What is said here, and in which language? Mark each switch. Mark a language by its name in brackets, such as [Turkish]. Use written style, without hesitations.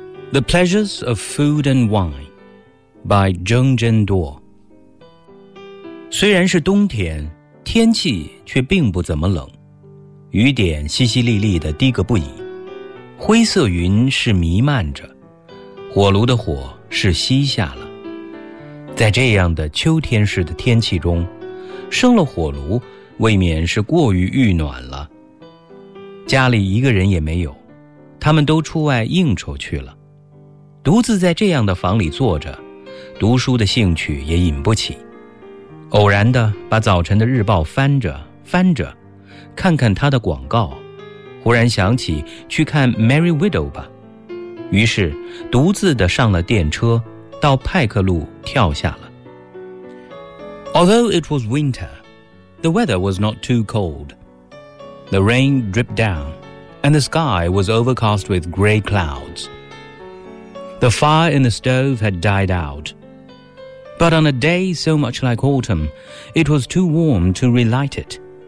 [English] The Pleasures of Food and Wine by 郑振铎。 [Chinese] 虽然是冬天，天气却并不怎么冷，雨点淅淅沥沥地滴个不已，灰色云是弥漫着，火炉的火是熄下了。在这样的秋天式的天气中，生了火炉未免是过于御暖了。家里一个人也没有，他们都出外应酬去了，独自在这样的房里坐着，读书的兴趣也引不起。偶然地把早晨的日报翻着翻着，看看它的广告，忽然想起去看《Merry Widow》吧，于是独自地上了电车，到派克路跳下了。 [English] Although it was winter, the weather was not too cold. The rain dripped down, and the sky was overcast with grey clouds. The fire in the stove had died out. But on a day so much like autumn, it was too warm to relight it.